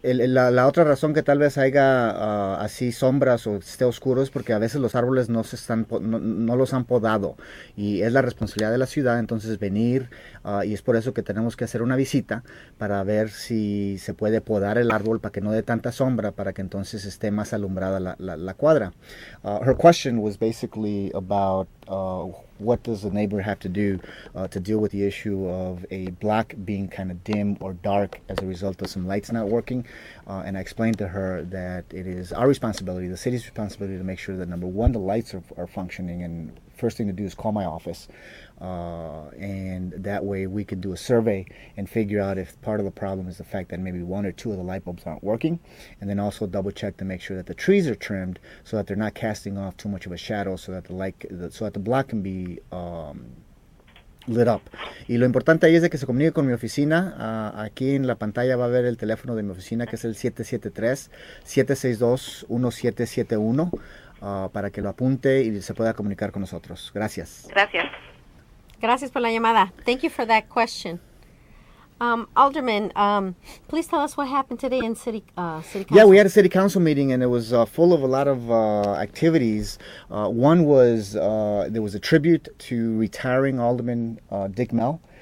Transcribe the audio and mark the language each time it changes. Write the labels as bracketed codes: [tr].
[es] la otra razón que tal vez haya así sombras o esté oscuro es porque a veces los árboles no se están no los han podado y es la responsabilidad de la ciudad entonces venir y es por eso que tenemos que hacer una visita para ver si se puede podar el árbol para que no dé tanta sombra para que entonces esté más alumbrada la cuadra. [en] Her question was basically about what does the neighbor have to do to deal with the issue of a block being kind of dim or dark as a result of some lights not working? And I explained to her that it is our responsibility, the city's responsibility, to make sure that number one, the lights are functioning, and first thing to do is call my office. And that way we can do a survey and figure out if part of the problem is the fact that maybe one or two of the light bulbs aren't working. And then also double check to make sure that the trees are trimmed so that they're not casting off too much of a shadow so that so that the block can be lit up. [es] Y lo importante ahí es de que se comunique con mi oficina. Aquí en la pantalla va a ver el teléfono de mi oficina, que es el 773-762-1771, para que lo apunte y se pueda comunicar con nosotros. Gracias. Gracias. Gracias por la llamada. [en] Thank you for that question. Alderman, please tell us what happened today in city Yeah, we council. had a city council meeting and it was full of a lot of activities. One was there was a tribute to retiring Alderman Dick Mell.